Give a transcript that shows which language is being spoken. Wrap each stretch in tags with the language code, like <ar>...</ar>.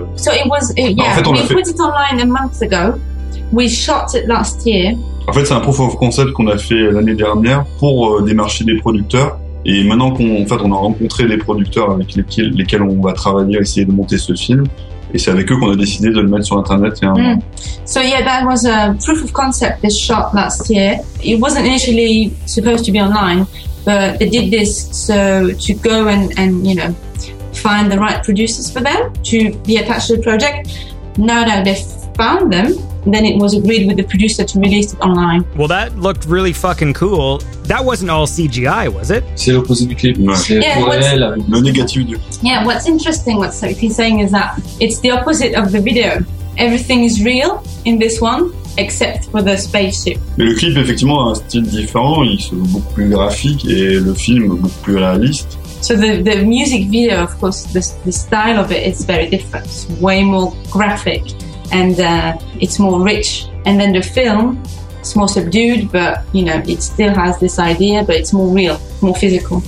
<en>So it was, we put it online a month ago. We shot it last year.</en> <fr>En fait, c'est un proof of concept qu'on a fait l'année dernière pour démarcher des producteurs. Et maintenant qu'on a rencontré les producteurs avec lesquels on va travailler, essayer de monter ce film. Et c'est avec eux qu'on a décidé de le mettre sur Internet.</fr> <en>So yeah, that was a proof of concept they shot last year. It wasn't initially supposed to be online, but they did this so to go and you know, find the right producers for them to be attached to the project. No, they found them. And then it was agreed with the producer to release it online. Well, that looked really fucking cool. That wasn't all CGI, was it?</en> <fr>C'est l'opposé du clip. Le négatif du clip.</fr> <en>Yeah, what's interesting, what he's saying is that it's the opposite of the video. Everything is real in this one, except for the spaceship.</en> <fr>Mais le clip, effectivement, a un style différent. Il se veut beaucoup plus graphique et le film beaucoup plus réaliste.</fr> <en>So the music video, of course, the style of it is very different. It's way more graphic. And it's more rich. And then the film, it's more subdued, but, you know, it still has this idea, but it's more real, more physical.</en>